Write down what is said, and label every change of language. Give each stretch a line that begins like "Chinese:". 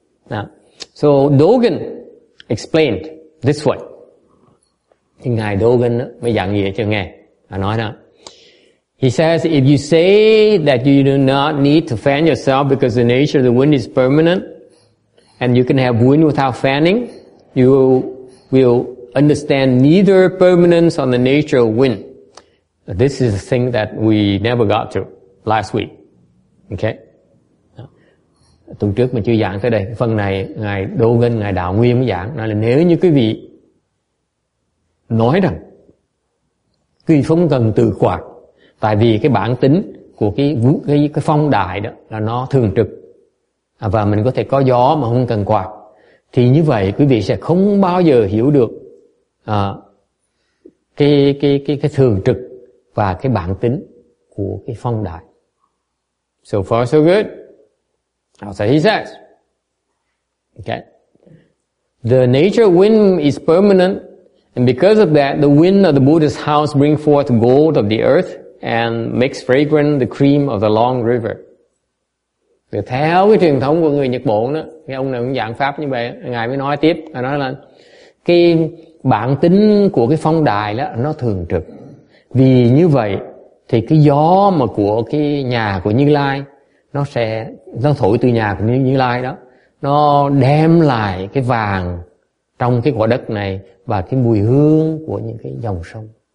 English: Now, so Dogen explained this way.
Vietnamese: Thì ngài Dogen đó, mới giảng nghĩa cho nghe, và nói đó.
English: He says, if you say that you do not need to fan yourself because the nature of the wind is permanent and you can have wind without fanning, you will understand neither permanence or the nature of wind. This is a thing that we never got to last week. Okay?
Vietnamese: Tuần trước mình chưa giảng tới đây. Phần này, Ngài Đô Ngân, Ngài Đạo Nguyên mới giảng. Nói là nếu như quý vị nói rằng quý vị không cần từ quạt, tại vì cái bản tính của cái phong đại đó là nó thường trực, và mình có thể có gió mà không cần quạt, thì như vậy quý vị sẽ không bao giờ hiểu được cái thường trực và cái bản tính của cái phong đại.
English: So far so good. That's what he says. Okay. The nature of wind is permanent, and because of that, the wind of the Buddha's house bring forth gold of the earth and makes fragrant the cream of the long river.
Vietnamese: Thì theo cái truyền thống của người Nhật Bản đó, cái ông này cũng giảng pháp như vậy, ngài mới nói tiếp, ngài nói là cái bản tính của cái phong đài đó nó thường trực. Vì như vậy thì cái gió mà của cái nhà của Như Lai nó thổi từ nhà của Như Lai đó, nó đem lại cái vàng trong cái quả đất này và cái mùi hương của những cái dòng sông.